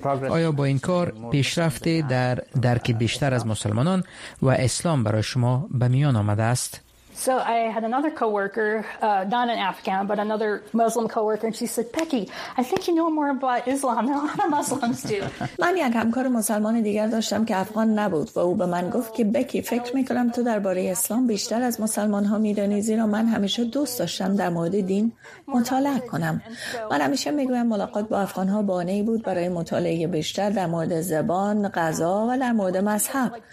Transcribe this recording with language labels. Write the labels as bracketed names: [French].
[Persian] آیا با این کار پیشرفت در درک بیشتر از مسلمانان و اسلام برای شما به میان آمده است؟ [English] So I had another coworker, not an Afghan, but another Muslim coworker, and she said, "Becky, I think you know more about Islam than a lot of Muslims do." [Persian] من یک همکار مسلمان دیگر داشتم که افغان نبود و او به من گفت که بکی، فکر میکنم تو درباره اسلام بیشتر از مسلمان ها میدانی، زیرا من همیشه دوست داشتم در مورد دین مطالعه کنم. من همیشه میگویم ملاقات با افغان ها بهانه ای بود برای مطالعه بیشتر در مورد زبان، غذا و در مورد مذهب.